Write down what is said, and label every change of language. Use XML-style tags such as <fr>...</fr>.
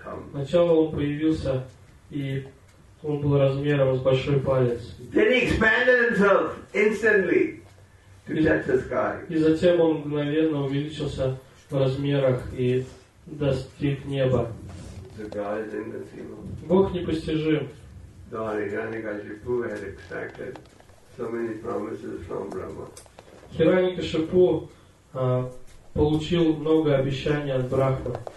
<ru>Сначала он появился, и он был размером с большой палец.</ru> <en>Then he expanded himself instantly to touch the sky.</en> <ru>И затем он мгновенно увеличился в размерах и достиг неба.</ru> <en>So God is inconceivable.</en> <ru>Бог непостижим.</ru> <en>Да, Хираньякашипу had extracted so many promises from Brahma.</en> <ru>Хираньякашипу получил много обещаний от Брахмы.</ru>